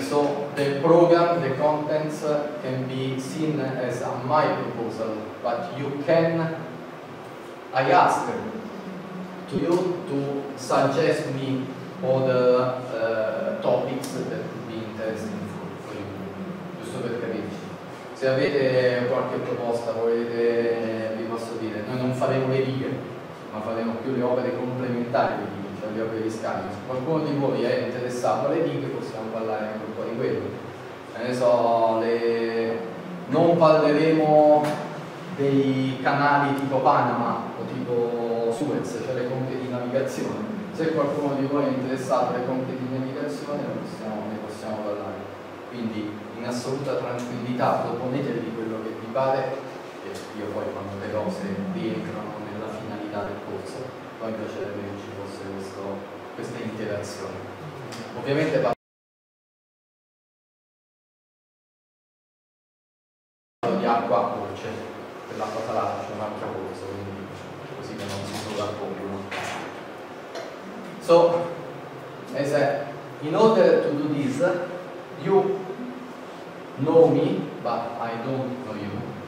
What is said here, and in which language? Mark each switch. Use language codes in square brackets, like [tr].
[en] So the program, the contents can be seen as my proposal, but you can, I ask to you to suggest me other topics that would be interesting for you, [it] giusto per capirci. Se avete qualche proposta, volete, vi posso dire, noi non faremo le righe, ma faremo più le opere complementari, cioè le opere di scambio. Se qualcuno di voi è interessato alle righe, possiamo parlare anche un po' di quello. Adesso non parleremo dei canali tipo Panama o tipo Suez, cioè le conche di navigazione. Se qualcuno di voi è interessato alle conche di navigazione, ne possiamo parlare. Quindi, in assoluta tranquillità, proponetevi quello che vi pare, e io poi, quando le cose rientrano nella finalità del corso, poi piacerebbe che ci fosse questa interazione. Ovviamente parlo di acqua dolce, per l'acqua salata c'è un altro corso, quindi così che non si sovrappongono. [en] So, in order to do this, you know me, but I don't know you.